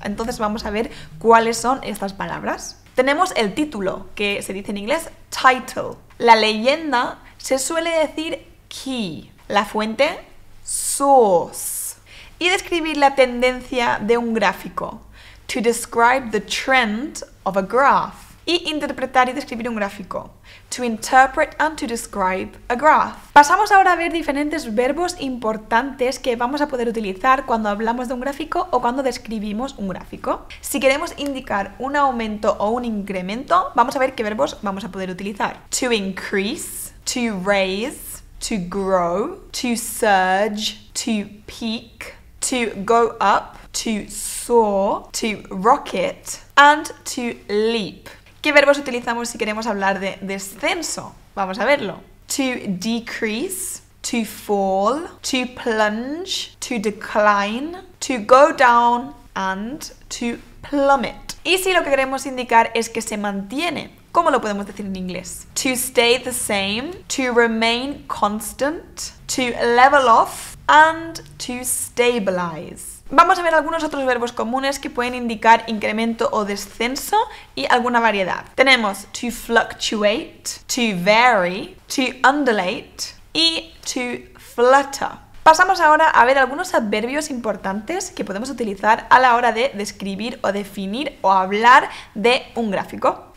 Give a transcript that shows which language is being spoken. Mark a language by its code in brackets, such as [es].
[es] Entonces vamos a ver cuáles son estas palabras. Tenemos el título, que se dice en inglés title. La leyenda se suele decir key. La fuente, source. Y describir la tendencia de un gráfico. [en] To describe the trend of a graph. [es] Y interpretar y describir un gráfico. [en] To interpret and to describe a graph. [es] Pasamos ahora a ver diferentes verbos importantes que vamos a poder utilizar cuando hablamos de un gráfico o cuando describimos un gráfico. Si queremos indicar un aumento o un incremento, vamos a ver qué verbos vamos a poder utilizar. [en] To increase, to raise, to grow, to surge, to peak, to go up, to soar, to rocket, and to leap. [es] ¿Qué verbos utilizamos si queremos hablar de descenso? Vamos a verlo. [en] To decrease, to fall, to plunge, to decline, to go down, and to plummet. [es] ¿Y si lo que queremos indicar es que se mantiene? ¿Cómo lo podemos decir en inglés? [en] To stay the same, to remain constant, to level off, and to stabilize. [es] Vamos a ver algunos otros verbos comunes que pueden indicar incremento o descenso y alguna variedad. Tenemos to fluctuate, to vary, to undulate y to flutter. Pasamos ahora a ver algunos adverbios importantes que podemos utilizar a la hora de describir o definir o hablar de un gráfico.